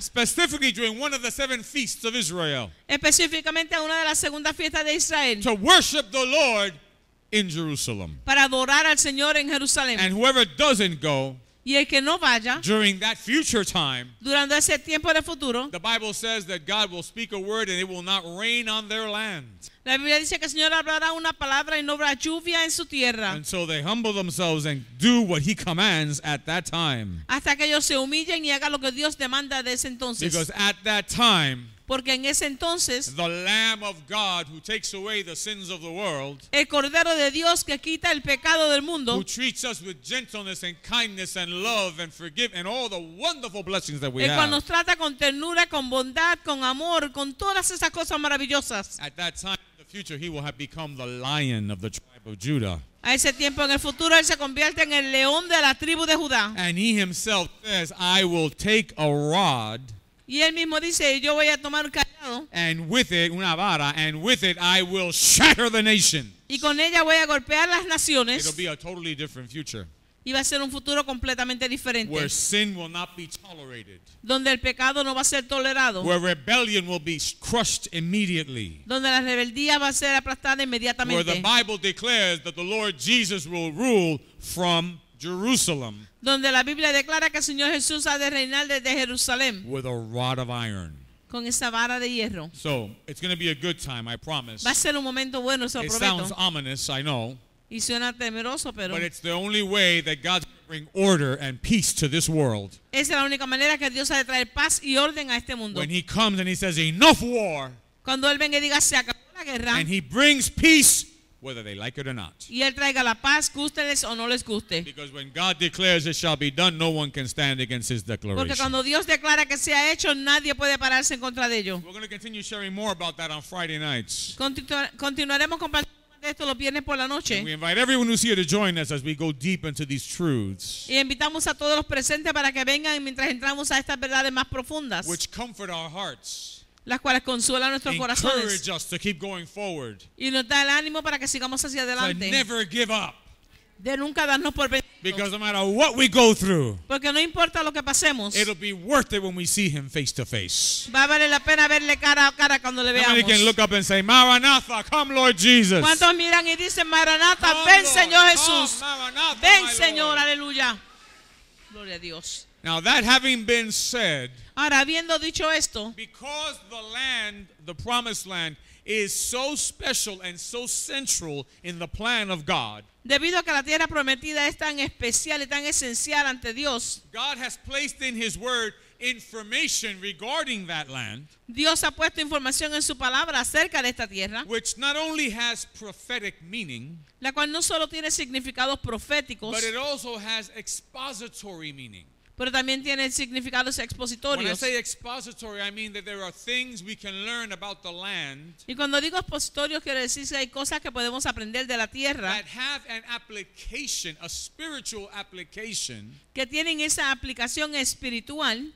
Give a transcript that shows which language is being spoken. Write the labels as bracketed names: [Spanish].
[English] Specifically during one of the seven feasts of Israel. [Spanish] Específicamente a una de las segundas fiestas de Israel. [English] To worship the Lord in Jerusalem. [Spanish] Para adorar al Señor en Jerusalén. [English] And whoever doesn't go, [Spanish] y el que no vaya, [English] during that future time, [Spanish] durante ese tiempo de futuro, [English] the Bible says that God will speak a word and it will not rain on their land. [Spanish] La Biblia dice que el Señor hablará una palabra y no habrá lluvia en su tierra. [English] And so they humble themselves and do what he commands at that time. [Spanish] Hasta que ellos se humillen y hagan lo que Dios demanda de ese entonces. [English] Because at that time, [Spanish] porque en ese entonces, [English] the Lamb of God who takes away the sins of the world, [Spanish] el Cordero de Dios que quita el pecado del mundo, [English] who treats us with gentleness and kindness and love and forgive and all the wonderful blessings that we [Spanish] el [English] have, [Spanish] nos trata con ternura, con bondad, con amor, con todas esas cosas maravillosas. [English] At that time in the future, he will have become the Lion of the tribe of Judah. [Spanish] A ese tiempo en el futuro, él se convierte en el León de la tribu de Judá. [English] And he himself says, I will take a rod. [Spanish] Y él mismo dice, yo voy a tomar un callado. [English] And with it, [Spanish] una vara, [English] and with it I will shatter the nations. [Spanish] Y con ella voy a golpear las naciones. [English] It'll be a totally different future. [Spanish] Y va a ser un futuro completamente diferente. [English] Where sin will not be tolerated. [Spanish] Donde el pecado no va a ser tolerado. [English] Where rebellion will be crushed immediately. [Spanish] Donde la rebeldía va a ser aplastada inmediatamente. [English] Where the Bible declares that the Lord Jesus will rule from Jerusalem. [Spanish] Donde la Biblia declara que el Señor Jesús ha de reinar desde Jerusalén. [English] With a rod of iron. [Spanish] Con esa vara de hierro. [English] So, it's going to be a good time, I promise. [Spanish] Va a ser un momento bueno, se lo prometo. [English] It sounds ominous, I know. [Spanish] Y suena temeroso, pero. [English] But it's the only way that God's going to bring order and peace to this world. [Spanish] Es la única manera que Dios ha de traer paz y orden a este mundo. [English] When he comes and he says, enough war. [Spanish] Cuando él venga y diga, se acabó la guerra. [English] And he brings peace, whether they like it or not. [Spanish] Y él traiga la paz, gústeles o no les guste. [English] Because when God declares it shall be done, no one can stand against his declaration. [Spanish] Porque cuando Dios declara que sea hecho, nadie puede pararse en contra de ello. [English] We're going to continue sharing more about that on Friday nights. [Spanish] Continuaremos compartiendo más de esto los viernes por la noche. [English] And we invite everyone who's here to join us as we go deep into these truths. [Spanish] Y invitamos a todos los presentes para que vengan mientras entramos a estas verdades más profundas. [English] Which comfort our hearts. [Spanish] Las cuales consuelan nuestros corazones. [English] Encourage us to keep going forward. [Spanish] Y nos da el ánimo para que sigamos hacia adelante. [English] To never give up. [Spanish] De nunca darnos por vencidos. [English] Because no matter what we go through, [Spanish] porque no importa lo que pasemos, [English] it'll be worth it when we see him face to face. [Spanish] Va a valer la pena verle cara a cara cuando le veamos. [English] Somebody can look up and say, Maranatha, come Lord Jesus. [Spanish] ¿Cuántos miran y dicen, Maranatha, [English] come, [Spanish] ven [English] Lord, [Spanish] Señor Jesús? [English] Come, Maranatha, [Spanish] ven Señor, [English] Lord. [Spanish] Aleluya. Gloria a Dios. [English] Now that having been said, [Spanish] ahora, habiendo dicho esto, [English] because the land, the promised land, is so special and so central in the plan of God, [Spanish] debido a que la tierra prometida es tan especial y tan esencial ante Dios, [English] God has placed in his word information regarding that land, [Spanish] Dios ha puesto información en su palabra acerca de esta tierra, [English] which not only has prophetic meaning, [Spanish] la cual no solo tiene significados proféticos, [English] but it also has expository meaning. [Spanish] Pero también tiene significados expositorios. [English] When I say expository, I mean that there are things we can learn about the land. [Spanish] Y cuando digo expositorio, quiero decir que hay cosas que podemos aprender de la tierra. [English] That have an application, a spiritual application. [Spanish] Que tienen esa aplicación espiritual.